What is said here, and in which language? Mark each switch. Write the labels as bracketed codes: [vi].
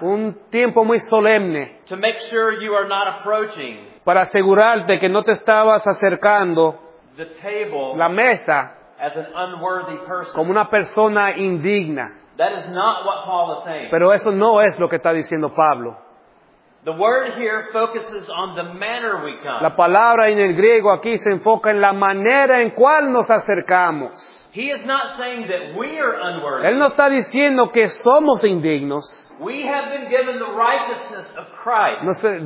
[es] un tiempo muy solemne, [en] to make sure you are not approaching, [es] para asegurarte que no te estabas acercando [en] the table, [es] la mesa, [en] as an unworthy person. [es] Como una persona indigna. [en] That is not what Paul is saying. [es] Pero eso no es lo que está diciendo Pablo. [en] The word here focuses on the manner we come. [es] La palabra en el griego aquí se enfoca en la manera en cual nos acercamos. [en] He is not saying that we are unworthy. [es] Él no está diciendo que somos indignos. [en] We have been given the righteousness of Christ.